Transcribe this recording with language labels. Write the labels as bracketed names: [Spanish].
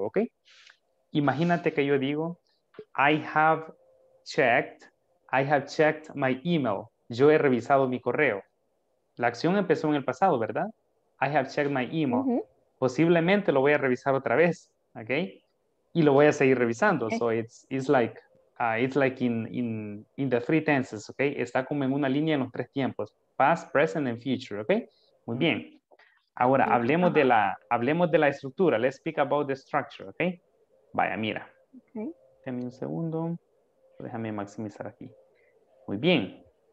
[Spanish] ¿Ok? Imagínate que yo digo, [English] I have checked my email. [Spanish] Yo he revisado mi correo. La acción empezó en el pasado, ¿verdad? [English] I have checked my email. Uh-huh. [Spanish] Posiblemente lo voy a revisar otra vez, ¿ok? Y lo voy a seguir revisando. [English] Okay. So it's like in the three tenses, ¿ok? [Spanish] Está como en una línea en los tres tiempos. [English] Past, present, and future, [Spanish] ¿ok? Muy bien. Ahora, hablemos de la estructura. [English] Let's speak about the structure, ¿ok? [Spanish] Vaya, mira. [English] Okay. [Spanish] Dame un segundo. Déjame maximizar aquí. Muy bien.